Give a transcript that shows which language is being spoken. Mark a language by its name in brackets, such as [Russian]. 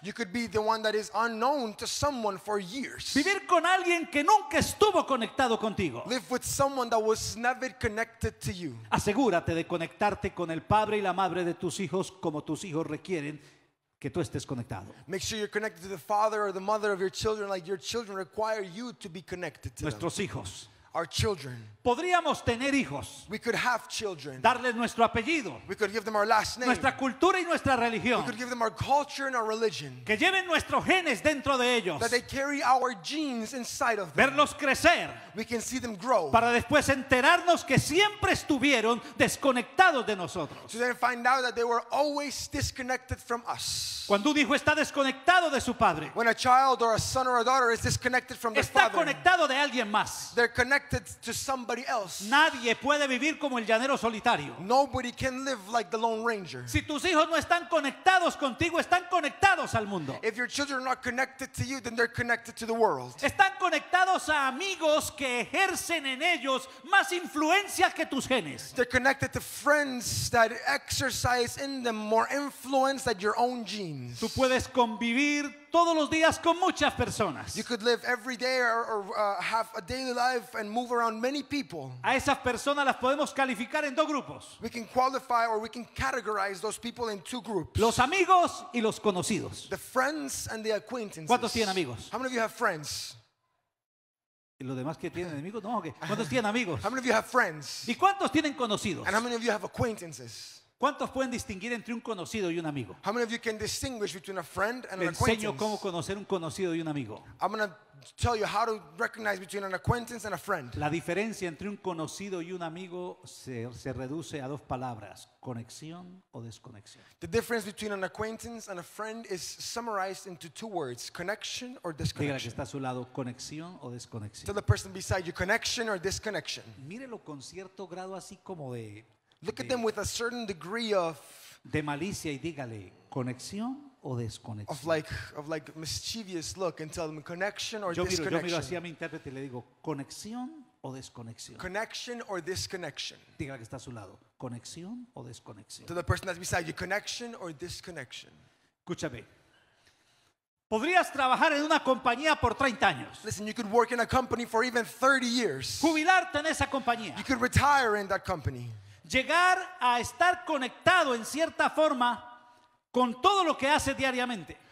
[English] You could be the one that is unknown to someone for years. [Spanish] Vivir con alguien que nunca estuvo conectado contigo. [English] Live with someone that was never connected to you. [Spanish] Asegúrate de conectarte con el padre y la madre de tus hijos como tus hijos requieren que tú estés conectado. [English] Make sure you're connected to the father or the mother of your children like your children require you to be connected to [Spanish] Nuestros [English] them. [Spanish] Hijos. [English] Our children. [Spanish] Podríamos tener hijos. [English] We could have children. [Spanish] Darles nuestro apellido. [English] We could give them our last name. [Spanish] Nuestra cultura y nuestra religión. [English] We could give them our culture and our religion. [Spanish] Que lleven nuestros genes dentro de ellos. [English] That they carry our genes inside of them. [Spanish] Verlos crecer. [English] We can see them grow. [Spanish] Para después enterarnos que siempre estuvieron desconectados de nosotros. [English] To then find out that they were always disconnected from us. [Spanish] Cuando un hijo está desconectado de su padre. [English] When a child or a son or a daughter is disconnected from their father. [Spanish] Está conectado de alguien más. [English] They're connected to somebody else. [Spanish] Nadie puede vivir como el llanero solitario. [English] Nobody can live like the lone ranger. [Spanish] Si tus hijos no están conectados contigo, están conectados al mundo. [English] If your children are not connected to you, then they're connected to the world. [Spanish] Están conectados a amigos que ejercen en ellos más influencia que tus genes. [English] They're connected to friends that exercise in them more influence than your own genes. [Spanish] Tú puedes convivir todos los días con muchas personas. [English] You could live every day or have a daily life and move around many people. [Spanish] A esas personas las podemos calificar en dos grupos. [English] We can qualify or we can categorize those people in two groups. [Spanish] Los amigos y los conocidos. [English] The friends and the acquaintances. [Spanish] ¿Cuántos tienen amigos? [English] How many of you have friends? [Spanish] ¿Y los demás que tienen amigos? No, okay. ¿Cuántos tienen amigos? [English] How many of you have friends? [Spanish] ¿Y cuántos tienen conocidos? [English] And how many of you have acquaintances? [Spanish] ¿Cuántos pueden distinguir entre un conocido y un amigo? [English] How many of you can distinguish between a friend and an acquaintance? [Spanish] Enseño cómo conocer un conocido y un amigo. [English] I'm going to tell you how to recognize between an acquaintance and a friend. [Spanish] La diferencia entre un conocido y un amigo se reduce a dos palabras: conexión o desconexión. [English] The difference between an acquaintance and a friend is summarized into two words: connection or disconnection. [Spanish] Dígale que está a su lado: conexión o desconexión. [English] Tell the person beside you: connection or disconnection. [Spanish] Mírelo con cierto grado así como de [English] Look at them with a certain degree of [Spanish] de malicia y dígale conexión o desconexión. [English] Of like mischievous look and tell them connection or disconnection. [Spanish] Yo miro así a mi intérprete y le digo conexión o desconexión. [English] Connection or disconnection. [Spanish] Dígale que está a su lado conexión o desconexión. [English] To the person that's beside you, connection or disconnection. [Spanish] Escúchame. Podrías trabajar en una compañía por 30 años. [English] Listen, you could work in a company for even 30 years. [Spanish] Jubilarte en esa compañía. [English] You could retire in that company. [Spanish] Llegar a estar conectado en cierta forma con todo lo que hace diariamente.